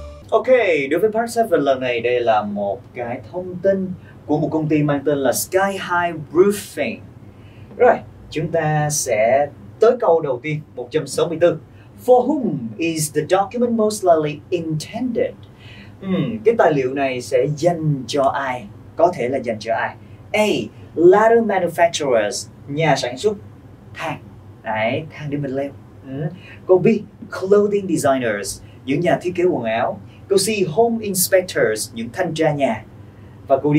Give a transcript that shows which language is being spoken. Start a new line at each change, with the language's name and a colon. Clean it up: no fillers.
Vietnamese: Ok, đối với part 7 lần này, đây là một cái thông tin của một công ty mang tên là Sky High Roofing. Rồi, chúng ta sẽ tới câu đầu tiên, 164.
English: For whom is the document most likely intended?
Vietnamese: Cái tài liệu này sẽ dành cho ai? Có thể là dành cho ai? A.
English: Ladder manufacturers,
Vietnamese: nhà sản xuất thang. Đấy, thang để mình leo. Câu B.
English: Clothing designers,
Vietnamese: những nhà thiết kế quần áo. Câu C.
English: Home inspectors,
Vietnamese: những thanh tra nhà. Và câu D.